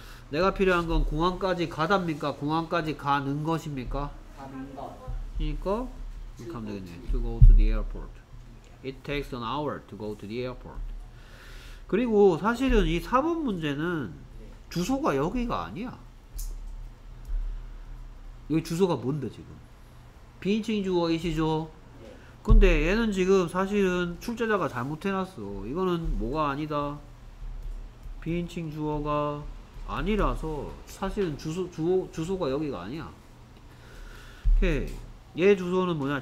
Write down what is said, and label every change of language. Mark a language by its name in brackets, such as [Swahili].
[Korean] 내가 필요한 건 공항까지 가답니까? 공항까지 가는 것입니까? 가는 것. 그러니까 가면 되겠네. [English] To go to the airport. It takes an hour to go to the airport. [Korean] 그리고 사실은 이 4번 문제는 주소가 여기가 아니야. 여기 주소가 뭔데 지금? 비인칭 주어이시죠? 근데 얘는 지금 사실은 출제자가 잘못해놨어. 이거는 뭐가 아니다. 비인칭 주어가 아니라서 사실은 주소가 여기가 아니야. 오케이. 얘 주소는 뭐냐?